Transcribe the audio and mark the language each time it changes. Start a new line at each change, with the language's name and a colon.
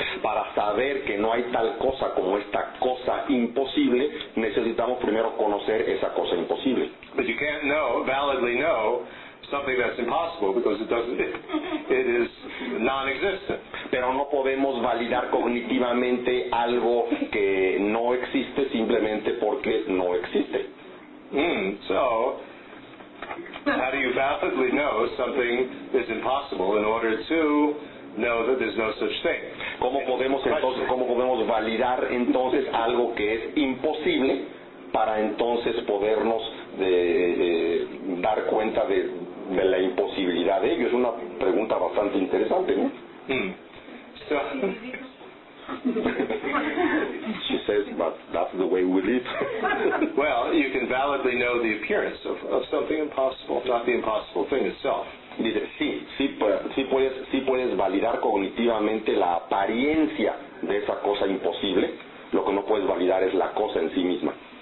Spanish: Para saber que no hay tal cosa como esta cosa imposible, necesitamos primero conocer esa cosa imposible.
English: But you can't validly know something that's impossible because it is non-existent.
Spanish: Pero no podemos validar cognitivamente algo que no existe simplemente porque no existe.
English: So how do you validly know something is impossible in order to know that there's no such thing?
Spanish: ¿Cómo podemos validar entonces algo que es imposible para entonces podernos dar cuenta de la imposibilidad de ello? Es una pregunta bastante interesante, ¿no?
English: So, she says, but that's the way we live. Well, you can validly know the appearance of something impossible, not the impossible thing itself.
Spanish: Dice, sí puedes validar cognitivamente la apariencia de esa cosa imposible. Lo que no puedes validar es la cosa en sí misma.